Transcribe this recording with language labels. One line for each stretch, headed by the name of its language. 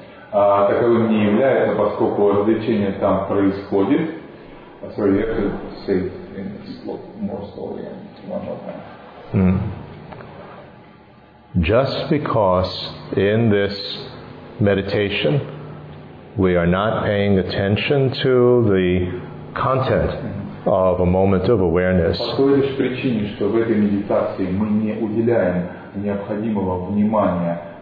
Russian: Таковым не является, поскольку развлечение там происходит.
English: Sorry, you have to say it in more slowly and one more time. Just because in this meditation we are not paying attention to the content of a moment of awareness.
Russian: По той лишь причине, что в этой медитации мы не уделяем необходимого внимания.